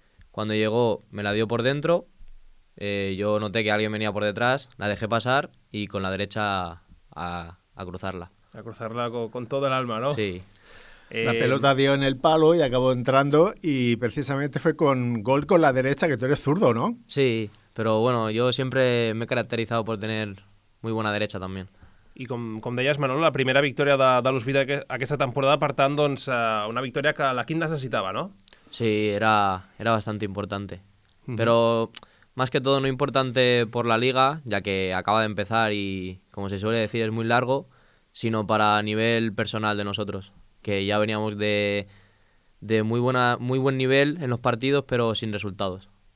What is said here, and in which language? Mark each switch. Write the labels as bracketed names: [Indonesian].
[Spanish] Cuando llegó, me la dio por dentro. Yo noté que alguien venía por detrás, la dejé pasar y con la derecha a cruzarla. A cruzarla con todo el alma, ¿no? Sí. La pelota dio en el palo y acabó entrando, y precisamente fue con gol con la derecha, que tú eres zurdo, ¿no? Sí, pero bueno, yo siempre me he caracterizado por tener muy buena derecha también. [Catalan] I com deies, Manolo, la primera victòria de l'Hospital aquesta temporada, per tant, doncs, una victòria que l'equip necessitava, ¿no? [Spanish] Sí, era bastante importante. Mm-hmm. Però... Más que todo, no importante por la liga, ya que acaba de empezar y, como se suele decir, es muy largo, sino para nivel personal de nosotros, que ya veníamos de muy buen nivel en los partidos, pero sin resultados.